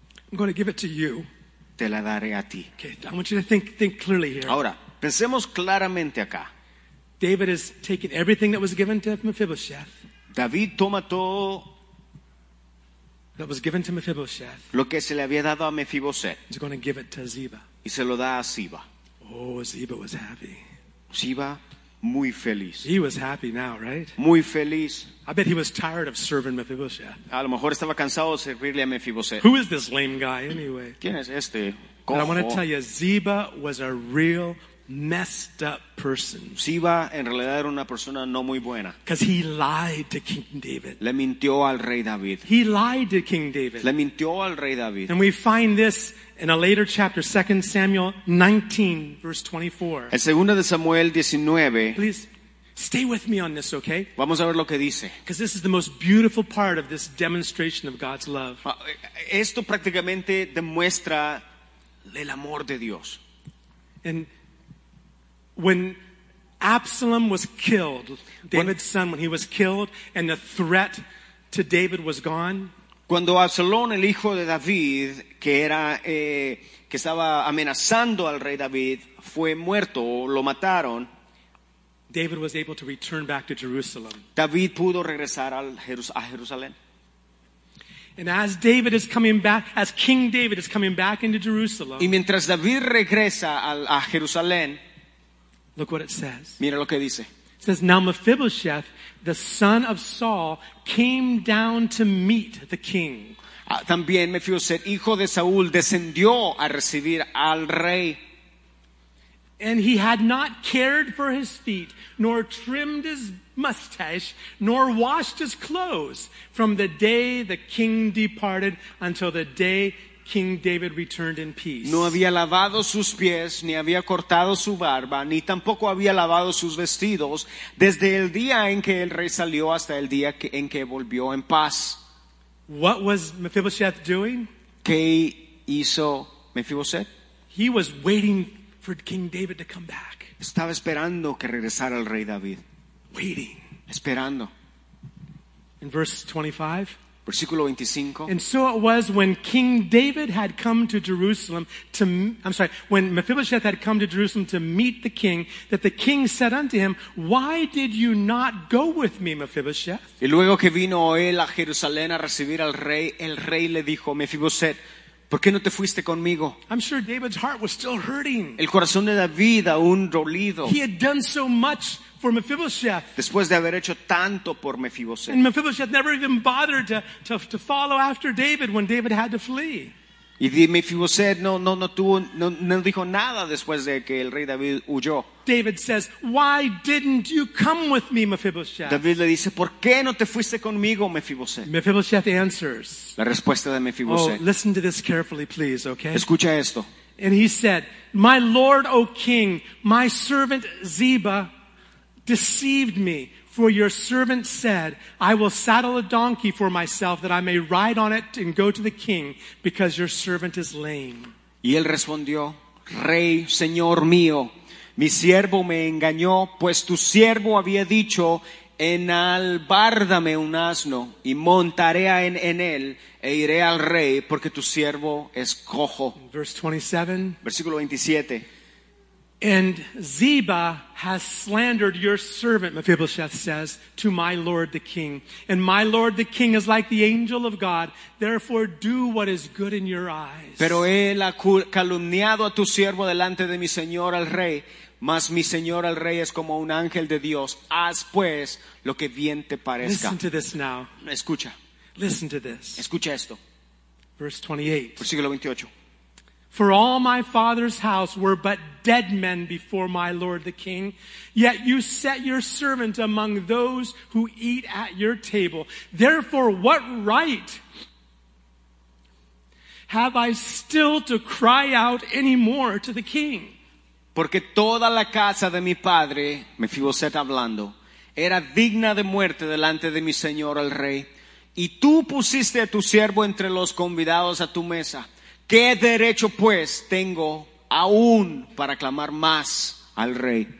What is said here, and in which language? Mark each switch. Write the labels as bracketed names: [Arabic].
[English] I'm going to give it to you. [Spanish] Te la daré a ti. [English] Okay, I want you to think clearly here. [Spanish] Ahora, pensemos claramente acá. [English] David has taken everything that was given to Mephibosheth. [Spanish] David toma todo [English] that was given to Mephibosheth. [Spanish] Lo que se le había dado a Mephibosheth. [English] He's going to give it to Ziba. [Spanish] Y se lo da a Ziba. [English] Oh, Ziba was happy. [Spanish] Ziba, muy feliz. [English] He was happy now, right? [Spanish] Muy feliz. [English] I bet he was tired of serving Mephibosheth. [Spanish] A lo mejor estaba cansado de servirle a Mephibosheth. [English] Who is this lame guy anyway? [Spanish] ¿Quién es este? [English] But I want to tell you, Ziba was a real messed up person. [Spanish] Ziba en realidad era una persona no muy buena. [English] Because he lied to King David. [Spanish] Le mintió al rey David. [English] He lied to King David. [Spanish] Le mintió al rey David. [English] And we find this in a later chapter, 2 Samuel 19, verse 24. [Spanish] En segunda de Samuel 19. [English] Please stay with me on this, okay? [Spanish] Vamos a ver lo que dice. [English] Because this is the most beautiful part of this demonstration of God's love. [Spanish] Esto prácticamente demuestra el amor de Dios. [English] And when Absalom was killed, David's son, when he was killed, and the threat to David was gone. [Spanish] Cuando Absalón, el hijo de David, que era que estaba amenazando al rey David, fue muerto, lo mataron. [English] David was able to return back to Jerusalem. [Spanish] David pudo regresar a Jerusalén. [English] And as David is coming back, as King David is coming back into Jerusalem. [Spanish] Y mientras David regresa a Jerusalén, [English] look what it says. [Spanish] Mira lo que dice. [English] It says, "Now Mephibosheth, the son of Saul, came down to meet the king." [Spanish] También Mephibosheth, hijo de Saúl, descendió a recibir al rey. [English] "And he had not cared for his feet, nor trimmed his mustache, nor washed his clothes from the day the king departed until the day King David returned in peace." [Spanish] No había lavado sus pies, ni había cortado su barba, ni tampoco había lavado sus vestidos desde el día en que el rey salió hasta el día en que volvió en paz. [English] What was Mephibosheth doing? [Spanish] ¿Qué hizo Mephibosheth? [English] He was waiting for King David to come back. [Spanish] Estaba esperando que regresara el rey David. [English] Waiting. [Spanish] Esperando. [English] In verse 25. [Spanish] Versículo 25. [English] "And so it was when King David had come to Jerusalem to," I'm sorry, "when Mephibosheth had come to Jerusalem to meet the king, that the king said unto him, 'Why did you not go with me, Mephibosheth?'" [Spanish] Y luego que vino él a Jerusalén a recibir al rey, el rey le dijo, Mephibosheth, ¿por qué no te fuiste conmigo? [English] I'm sure David's heart was still hurting. [Spanish] El corazón de David aún dolido. [English] He had done so much for Mephibosheth. [Spanish] Después de haber hecho tanto por Mephibosheth. [English] And Mephibosheth never even bothered to follow after David when David had to flee. [Spanish] Y Mephibosheth no dijo nada después de que el rey David huyó. [English] David says, "Why didn't you come with me, Mephibosheth?" [Spanish] David le dice, "¿Por qué no te fuiste conmigo, Mephibosheth?" [English] Mephibosheth answers. [Spanish] La respuesta de Mephibosheth. [English] Oh, listen to this carefully, please, okay? [Spanish] Escucha esto. [English] And he said, "My lord, O king, my servant Ziba deceived me, for your servant said, 'I will saddle a donkey for myself that I may ride on it and go to the king, because your servant is lame.'" [Spanish] Y él respondió, "Rey, señor mío, mi siervo me engañó, pues tu siervo había dicho, enalbárdame un asno y montaré en él e iré al rey, porque tu siervo es cojo." [English] Verse 27. [Spanish] Versículo 27. [English] "And Ziba has slandered your servant," Mephibosheth says, "to my lord the king. And my lord the king is like the angel of God. Therefore, do what is good in your eyes." [Spanish] Pero él ha calumniado a tu siervo delante de mi señor el rey. Mas mi señor el rey es como un ángel de Dios. Haz pues lo que bien te parezca. [English] Listen to this now. [Spanish] Escucha. [English] Listen to this. [Spanish] Escucha esto. [English] Verse 28. [Spanish] Versículo 28. [English] "For all my father's house were but dead men before my lord the king, yet you set your servant among those who eat at your table. Therefore, what right have I still to cry out any more to the king?" [Spanish] Porque toda la casa de mi padre, Mephibosheth hablando, era digna de muerte delante de mi señor el rey, y tú pusiste a tu siervo entre los convidados a tu mesa. ¿Qué derecho, pues, tengo aún para clamar más al rey?